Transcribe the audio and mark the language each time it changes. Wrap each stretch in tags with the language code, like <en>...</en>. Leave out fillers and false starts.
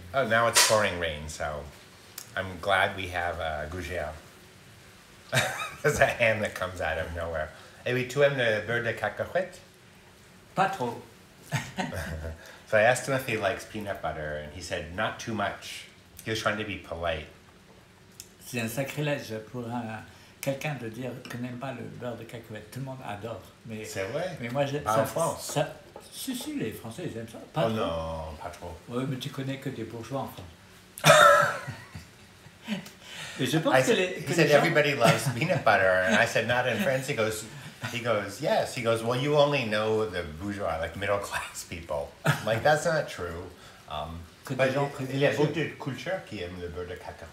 <en>Oh, now it's pouring rain, so I'm glad we have Gruyère. There's a hand that comes out of nowhere.</en> <fr>Et oui, tu aimes le beurre de cacahuète? Pas trop.</fr> <en>So I asked him if he likes peanut butter, and he said, not too much. He was trying to be polite.</en> <fr>C'est un sacrilège pour quelqu'un de dire qu'il n'aime pas le beurre de cacahuète. Tout le monde adore. Mais, c'est vrai? Mais moi, pas ça, en France? Ça, si, les Français, ils aiment ça. Pas oh trop. Non, pas trop. Oui, mais tu connais que des bourgeois en France. Et je pense</fr> <en>He said, everybody loves peanut butter, and I said, not in France. He goes, yes. He goes, well, you only know the bourgeois, like middle class people. I'm like, that's not true. But</en> <fr>il y a beaucoup de cultures qui aiment le beurre de cacahuète.</fr>